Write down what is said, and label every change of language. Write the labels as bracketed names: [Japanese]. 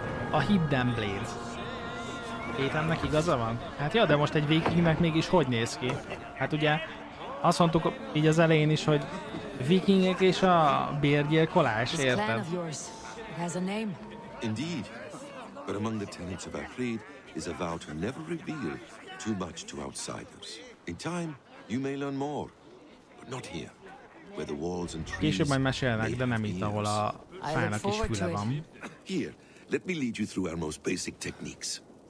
[Hungarian] A Hidden Blade. Étemnek igaza van? Hát ja, de most egy vikingnek mégis hogy néz ki? Hát ugye, azt mondtuk így az elején is, hogy vikingek és a bérgyilkolás, érted? [English] Indeed. But among the tenets of our creed is a vow to never reveal too much to outsiders. In time, you may learn more, but not here, where the walls and trees. [Hungarian] Később majd mesélnek, de nem itt, ahol a fának is füle van. [English] Here, let me lead you through our most basic techniques.